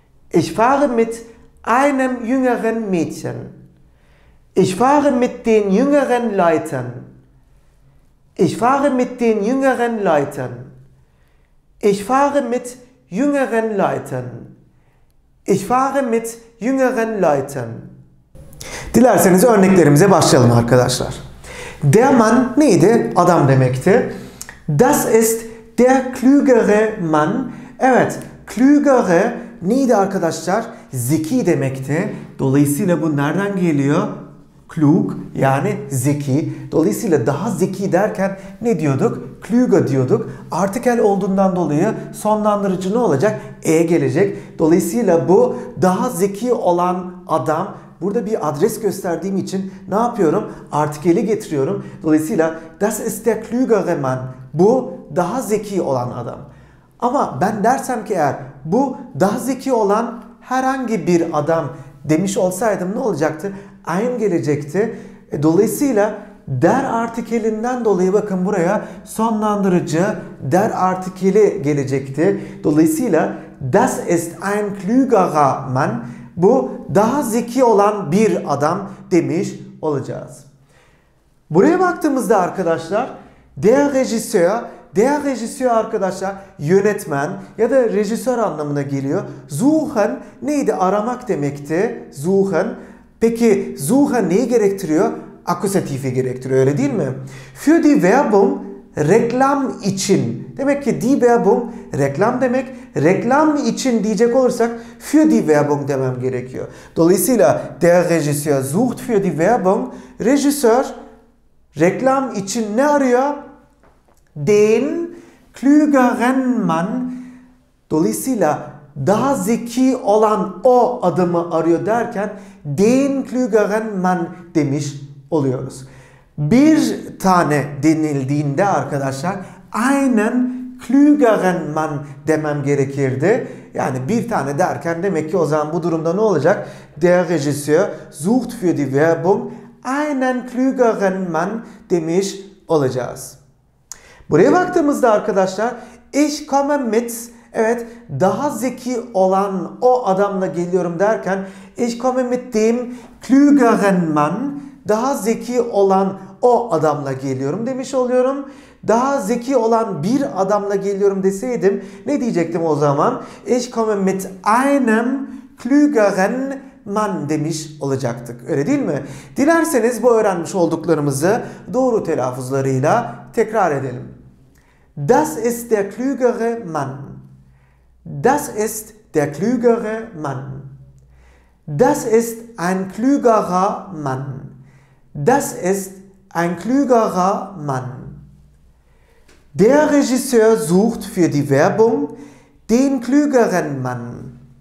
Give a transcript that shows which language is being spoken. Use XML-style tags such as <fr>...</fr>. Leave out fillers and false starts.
<de>Ich fahre mit einem jüngeren Mädchen. Ich fahre mit den jüngeren Leuten. Ich fahre mit den jüngeren Leuten. Ich fahre mit jüngeren Leuten. Ich fahre mit jüngeren Leuten.</de> <tr>Dilerseniz örneklerimize başlayalım arkadaşlar. Der Mann neydi? Adam demekti.</tr> <de>Das ist der klügere Mann.</de> <tr>Evet, klügere neydi arkadaşlar? Zeki demekti. Dolayısıyla bu nereden geliyor? Klug yani zeki. Dolayısıyla daha zeki derken ne diyorduk? Klüga diyorduk. Artikel olduğundan dolayı sonlandırıcı ne olacak? E gelecek. Dolayısıyla bu daha zeki olan adam. Burada bir adres gösterdiğim için ne yapıyorum? Artikeli getiriyorum. Dolayısıyla</tr> <de>das ist der klügere Mann.</de> <tr>Bu daha zeki olan adam. Ama ben dersem ki eğer bu daha zeki olan herhangi bir adam demiş olsaydım ne olacaktı? Ein gelecekti. Dolayısıyla der artikelinden dolayı bakın buraya sonlandırıcı der artikeli gelecekti. Dolayısıyla</tr> <de>das ist ein klügerer Mann.</de> <tr>Bu daha zeki olan bir adam demiş olacağız. Buraya baktığımızda arkadaşlar der Regisseur, der Regisseur arkadaşlar yönetmen ya da rejisör anlamına geliyor. Suchen neydi? Aramak demekti. Suchen. Peki suchen neyi gerektiriyor? Akusatifi gerektiriyor öyle değil mi?</tr> <de>Für die Werbung</de> <tr>reklam için. Demek ki die Werbung reklam demek. Reklam için diyecek olursak</tr> <de>für die Werbung</de> <tr>demem gerekiyor. Dolayısıyla</tr> <de>der Regisseur sucht für die Werbung.</de> <tr>Rejisör reklam için ne arıyor?</tr> <de>Den klügeren Mann.</de> <tr>Dolayısıyla daha zeki olan o adamı arıyor derken</tr> <de>den klügeren Mann</de> <tr>demiş oluyoruz. Bir tane denildiğinde arkadaşlar</tr> <de>einen klügeren Mann</de> <tr>demem gerekirdi. Yani bir tane derken demek ki o zaman bu durumda ne olacak?</tr> <de>Der Regisseur sucht für die Werbung einen klügeren Mann</de> <tr>demiş olacağız. Buraya baktığımızda arkadaşlar</tr> <de>ich komme mit,</de> <tr>evet daha zeki olan o adamla geliyorum derken</tr> <de>ich komme mit dem klügeren Mann,</de> <tr>daha zeki olan o adamla geliyorum demiş oluyorum. Daha zeki olan bir adamla geliyorum deseydim ne diyecektim o zaman?</tr> <de>Ich komme mit einem klügeren Mann</de> <tr>demiş olacaktık. Öyle değil mi? Dilerseniz bu öğrenmiş olduklarımızı doğru telaffuzlarıyla tekrar edelim.</tr> <de>Das ist der klügere Mann. Das ist der klügere Mann. Das ist ein klügerer Mann. Das ist ein klügerer Mann. Der Regisseur sucht für die Werbung den klügeren Mann.</de>